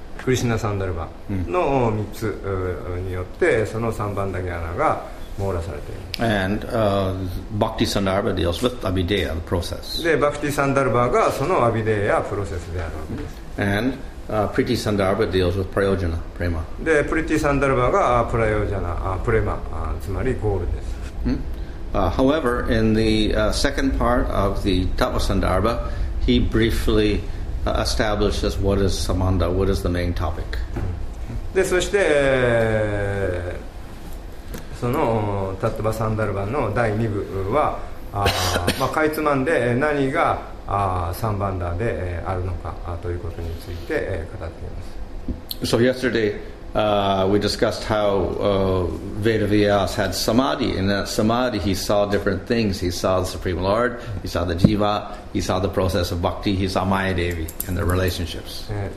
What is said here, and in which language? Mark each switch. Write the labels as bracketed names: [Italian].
[Japanese] クリシナサンダルバの3つによってその3番ダギャナが網羅されている。 [English] And Bhakti Sandarbha deals with Abhideya, the process. [Japanese] で、Bhakti Sandarbha がそのアビデやプロセスであるわけです。 [English] And Priti Sandarbha deals with Prayojana, Prema. [Japanese] で、Priti Sandarbha がプライオジャナ、プレマ、つまりゴールです。 [English] However, in the second part of the Tapa Sandarbha, he briefly establishes what is samanda, what is the main topic. [Japanese] で、そして、その、タットバサンダルバの第2部は、まあ、かいつまんで、何が、サンバンダで、あるのか、ということについて、語っています。 [English] So yesterday, we discussed how, Vedavyas had samadhi. In that samadhi, he saw different things. He saw the Supreme Lord, he saw the Jiva, he saw the process of bhakti, he saw Maya Devi and the relationships.